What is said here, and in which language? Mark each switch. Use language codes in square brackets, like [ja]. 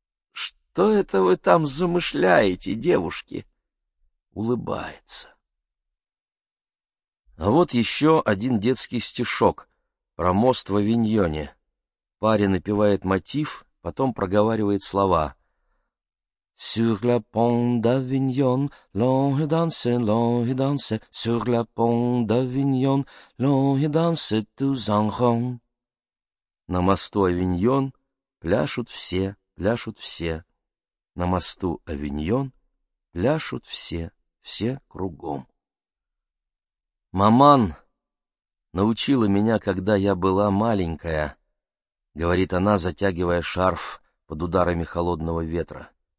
[ru] «Что это вы там замышляете, девушки?» Улыбается. А вот еще один детский стишок про мост в Авиньоне. Парень напевает мотив, потом проговаривает слова. [fr] Sur le pont d'Avignon, l'on y danse, l'on y danse, sur le pont d'Avignon, l'on y danse tous en rond. [ru] На мосту Авиньон пляшут все, на мосту Авиньон пляшут все, все кругом. Маман научила меня, когда я была маленькая, говорит она, затягивая шарф под ударами холодного ветра.